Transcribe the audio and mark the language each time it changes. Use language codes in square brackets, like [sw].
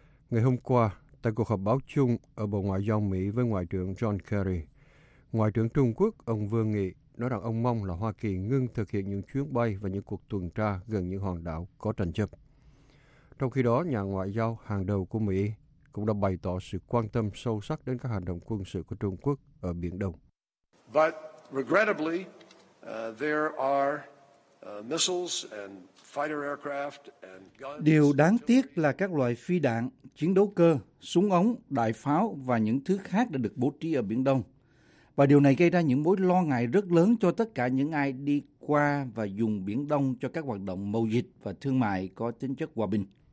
[vi] Ngày hôm qua, tại cuộc họp báo chung ở Bộ Ngoại giao Mỹ với Ngoại trưởng John Kerry, Ngoại trưởng Trung Quốc ông Vương Nghị nói rằng ông mong là Hoa Kỳ ngưng thực hiện những chuyến bay và những cuộc tuần tra gần những hòn đảo có tranh chấp. Trong khi đó, nhà ngoại giao hàng đầu của Mỹ cũng đã bày tỏ sự quan tâm sâu sắc đến các hành động quân sự của Trung Quốc ở Biển Đông. [en] But regrettably, there are missiles and fighter aircraft and guns. [vi] Điều đáng tiếc là các loại phi đạn, chiến đấu cơ, súng ống, đại pháo và những thứ khác đã được bố trí ở Biển Đông. Và điều này gây ra những mối lo ngại rất lớn cho tất cả những ai đi qua và dùng Biển Đông cho các hoạt động mậu dịch và thương mại có tính chất hòa bình.